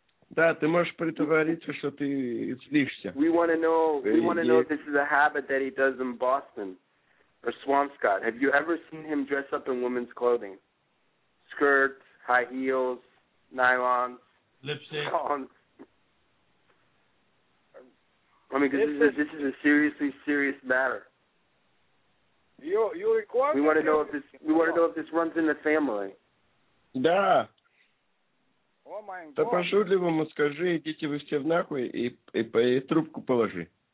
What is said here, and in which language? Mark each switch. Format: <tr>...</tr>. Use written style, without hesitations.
<ru>Да, ты можешь притвориться, что ты злишься.</ru> <en>We want to know if this is a habit that he does in Boston. Or Swampscott, have you ever seen him dress up in women's clothing? Skirts, high heels, nylons, lipstick. I mean, because this is a seriously serious matter. You require. We want to know if this runs in the family.</en> <ru>Да. О, мой Бог. Да по-шутливому скажи, идите вы все в нахуй и трубку положи.</ru>